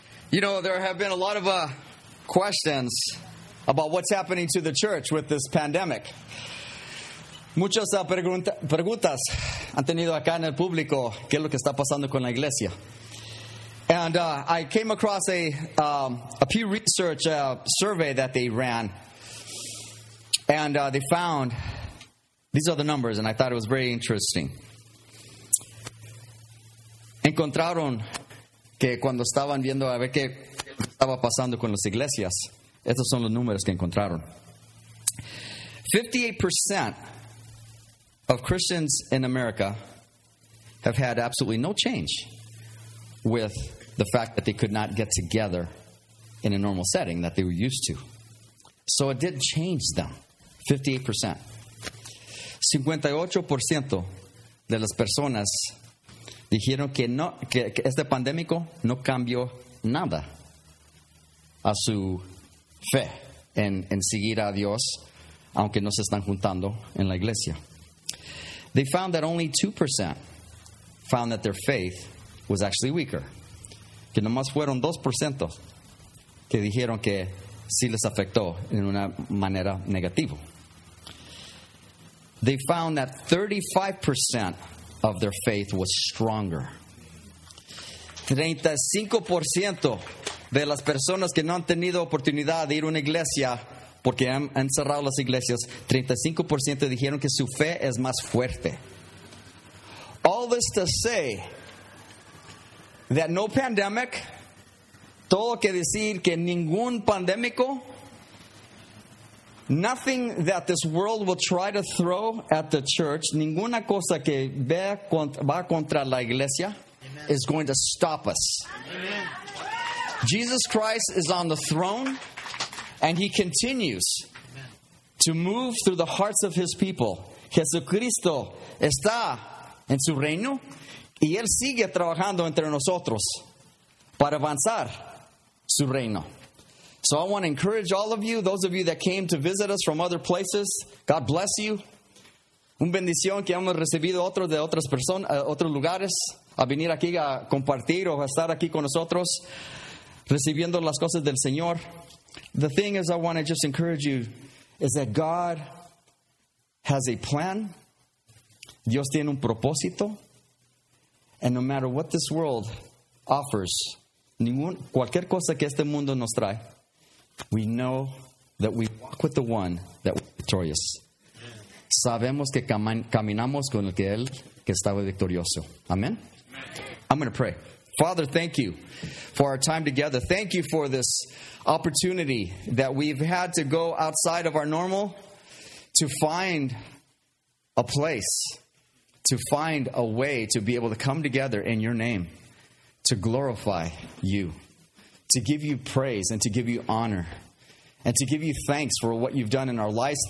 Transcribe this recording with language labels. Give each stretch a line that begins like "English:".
English: You know, there have been a lot of questions about what's happening to the church with this pandemic.
Spanish: Muchas preguntas han tenido acá en el público, ¿qué es lo que está pasando con la iglesia?
English: And I came across a Pew Research survey that they ran, and they found, these are the numbers, and I thought it was very interesting.
Spanish: Encontraron que cuando estaban viendo a ver qué estaba pasando con las iglesias, estos son los números que encontraron.
English: 58% of Christians in America have had absolutely no change with the fact that they could not get together in a normal setting that they were used to. So it didn't change them, 58%.
Spanish: 58% de las personas dijeron que no, que este pandémico no cambió nada a su fe en seguir a Dios, aunque no se están juntando en la iglesia.
English: They found that only 2% found that their faith was actually weaker.
Spanish: Que nomás fueron 2% que dijeron que sí les afectó en una manera negativa.
English: They found that 35% of their faith was stronger.
Spanish: 35% de las personas que no han tenido oportunidad de ir a una iglesia porque han cerrado las iglesias, 35% dijeron que su fe es más fuerte.
English: All this to say that no pandemic,
Spanish: todo que decir que ningún pandémico,
English: nothing that this world will try to throw at the church,
Spanish: ninguna cosa que va contra la iglesia,
English: amen, is going to stop us. Amen. Jesus Christ is on the throne, and he continues, amen, to move through the hearts of his people.
Spanish: Jesucristo está en su reino, y él sigue trabajando entre nosotros para avanzar su reino.
English: So I want to encourage all of you, those of you that came to visit us from other places, God bless you.
Spanish: Un bendición que hemos recibido otros de otras personas, otros lugares, a venir aquí a compartir o a estar aquí con nosotros, recibiendo las cosas del Señor.
English: The thing is, I want to just encourage you, is that God has a plan.
Spanish: Dios tiene un propósito.
English: And no matter what this world offers,
Spanish: cualquier cosa que este mundo nos trae,
English: we know that we walk with the one that was victorious.
Spanish: Sabemos que caminamos con el que él que estaba victorioso.
English: Amen. I'm going to pray. Father, thank you for our time together. Thank you for this opportunity that we've had to go outside of our normal to find a place, to find a way to be able to come together in your name, to glorify you, to give you praise and to give you honor, and to give you thanks for what you've done in our lives.